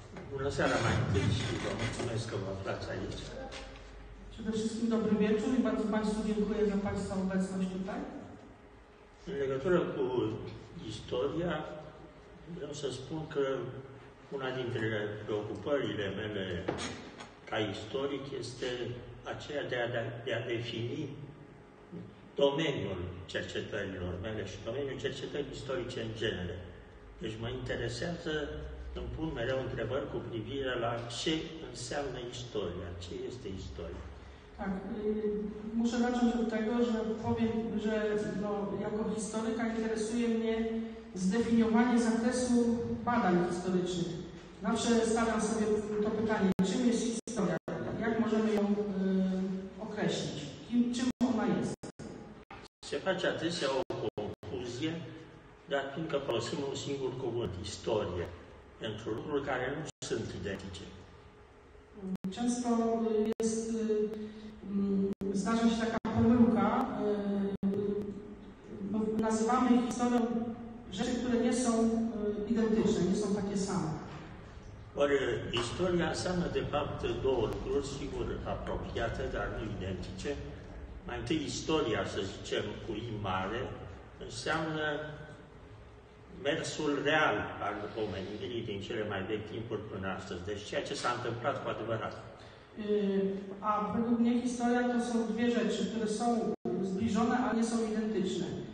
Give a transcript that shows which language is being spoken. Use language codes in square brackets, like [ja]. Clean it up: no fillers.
[it] Buonasera, maestro, maestro, maestro. [pl] Przede wszystkim dobry wieczór i bardzo Państwu dziękuję za Państwa obecność tutaj. [ro] Legatura historia, ja se spunkę una dintre preocupările mele ca istoric este aceea de a defini domeniul cercetărilor mele și domeniul cercetării istorice în genere. Deci mă interesează, îmi pun mereu întrebări cu privire la ce înseamnă istoria, ce este istoria. [pl] Tak, muszę zacząć od tego, że powiem, że no, jako historyka interesuje mnie zdefiniowanie zakresu badań historycznych. Zawsze stawiam sobie to pytanie, czym jest historia, jak możemy ją określić, czym ona jest. [ro] Se face adesea o confuzie, dar fiindcă folosim un singur cuvânt, istorie, pentru lucruri care nu sunt identice. [pl] Często jest zdarza się taka pomyłka, bo nazywamy historią rzeczy, które nie są identyczne, nie są takie same. [ro] Ori historia înseamnă de fapt două lucruri, sigur apropiate, dar nu identice. Mai întâi istoria, să zicem, cu I mare, înseamnă mersul real al omenirii din cele mai vechi timpuri până astăzi. Deci ceea ce s-a întâmplat cu adevărat. [pl] A według mnie historia to są dwie rzeczy, które są zbliżone, ale nie są identyczne.